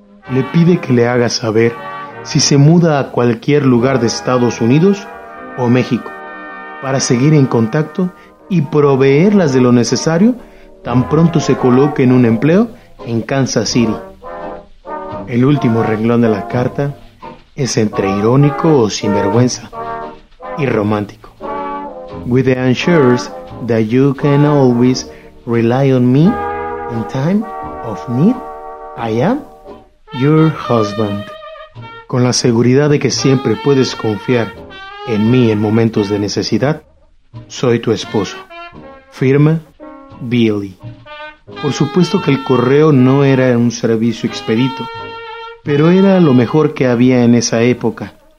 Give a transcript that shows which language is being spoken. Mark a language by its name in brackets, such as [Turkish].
[Spanish] Le pide que le haga saber si se muda a cualquier lugar de Estados Unidos o México, para seguir en contacto y proveerlas de lo necesario tan pronto se coloque en un empleo en Kansas City. El último renglón de la carta es entre irónico o sinvergüenza y romántico. [English] With the assurance that you can always rely on me in time of need, I am your husband. [Spanish] Con la seguridad de que siempre puedes confiar en mí en momentos de necesidad, soy tu esposo. Firma Billy. Por supuesto que el correo no era un servicio expedito, pero era lo mejor que había en esa época.